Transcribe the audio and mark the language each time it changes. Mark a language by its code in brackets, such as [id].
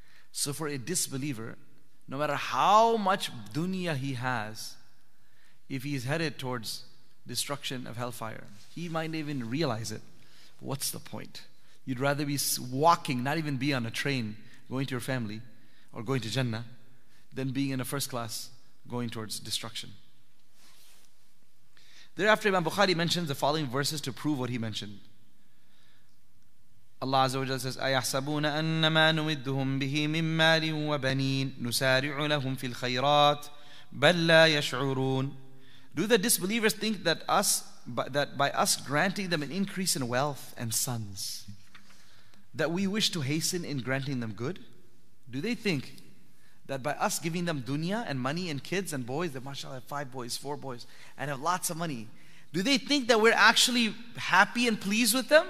[en] So for a disbeliever, no matter how much dunya he has, if he's headed towards destruction of hellfire, he might not even realize it. What's the point? You'd rather be walking, not even be on a train, going to your family or going to Jannah, than being in a first class going towards destruction. Thereafter, Imam Bukhari mentions the following verses to prove what he mentioned. Allah Azza wa Jalla says, [ar] أَيَحْسَبُونَ أَنَّ مَا نُمِدُّهُمْ بِهِ مِنْ مَالٍ وَبَنِينَ نُسَارِعُ لَهُمْ فِي الْخَيْرَاتِ بَلْ لَا يَشْعُرُونَ. [en] Do the disbelievers think that by us granting them an increase in wealth and sons, that we wish to hasten in granting them good? Do they think that by us giving them dunya and money and kids and boys, that mashallah have 5 boys, 4 boys, and have lots of money, do they think that we're actually happy and pleased with them?